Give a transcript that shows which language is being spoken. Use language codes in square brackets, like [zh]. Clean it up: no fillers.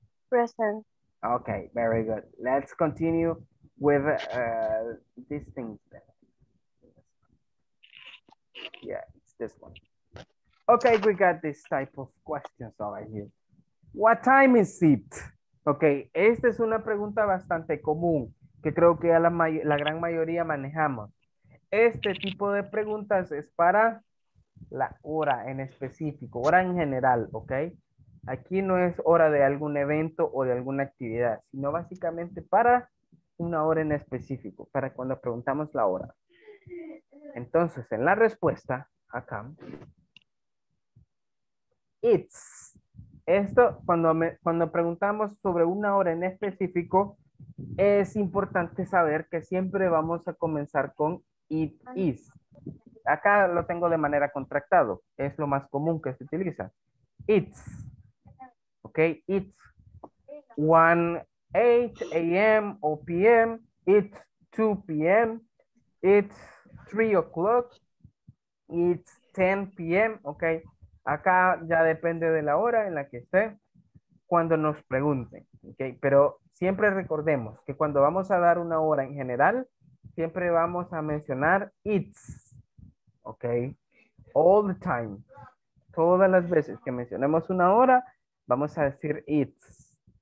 [en] Present. Okay, very good. Let's continue with this thing. Yeah, it's this one. Okay, we got this type of questions over here. What time is it? [es] Okay, esta es una pregunta bastante común que creo que la gran mayoría manejamos. Este tipo de preguntas es para la hora en específico, hora en general, okay? Aquí no es hora de algún evento o de alguna actividad, sino básicamente para una hora en específico, para cuando preguntamos la hora. Entonces, en la respuesta, acá, it's. Esto, cuando preguntamos sobre una hora en específico, es importante saber que siempre vamos a comenzar con it is. Acá lo tengo de manera contractado, es lo más común que se utiliza. [en] It's. Okay, it's 1 a.m. o p.m., it's 2 p.m., it's 3 o'clock, it's 10 p.m., okay. [es] Acá ya depende de la hora en la que esté, cuando nos pregunten, okay. Pero siempre recordemos que cuando vamos a dar una hora en general, siempre vamos a mencionar it's, okay. [en] All the time, [es] todas las veces que mencionemos una hora, vamos a decir it's.